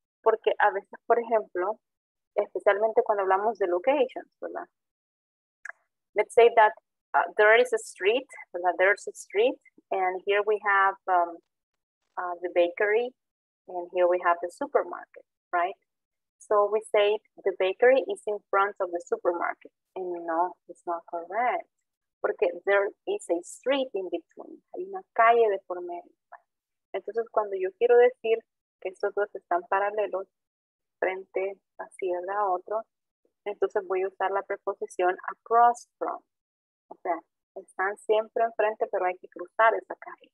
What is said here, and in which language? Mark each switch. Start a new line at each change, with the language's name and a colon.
Spanish: Porque a veces, por ejemplo, especialmente cuando hablamos de locations, ¿verdad?
English: Let's say that there is a street, ¿verdad? There's a street, and here we have the bakery, and here we have the supermarket, right? So we say the bakery is in front of the supermarket, and no, it's not correct.
Spanish: Porque
English: there is a street in between.
Spanish: Hay una calle de por medio. Entonces, cuando yo quiero decir que estos dos están paralelos, frente así a otro, entonces voy a usar la preposición across from. O sea, están siempre enfrente, pero hay que cruzar esa calle.